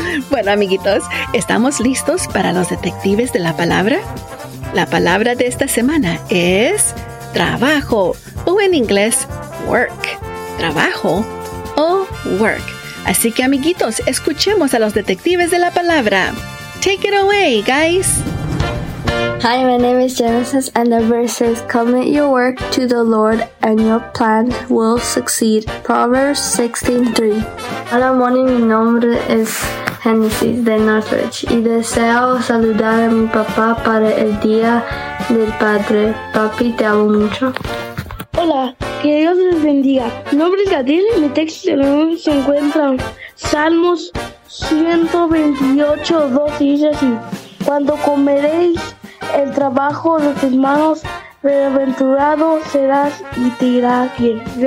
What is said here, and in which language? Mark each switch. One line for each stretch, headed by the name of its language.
Spanish: Bueno, amiguitos, ¿estamos listos para los detectives de la palabra? La palabra de esta semana es trabajo, o en inglés, work. Trabajo o work. Así que, amiguitos, escuchemos a los detectives de la palabra.
English: Take it away, guys. Hi, my name is Genesis, and the verse is, commit your work to the Lord, and your plan will succeed. Proverbs 16:3.
Spanish: Hola, Moni, mi nombre es Genesis de Northridge, y deseo saludar a mi papá para el Día del Padre. Papi, te amo mucho. Hola, que Dios les bendiga. Mi nombre es Gabriel y mi texto se encuentra en Salmos 128:2 y dice así: cuando comeréis el trabajo de tus manos, bienaventurado serás y te irá bien.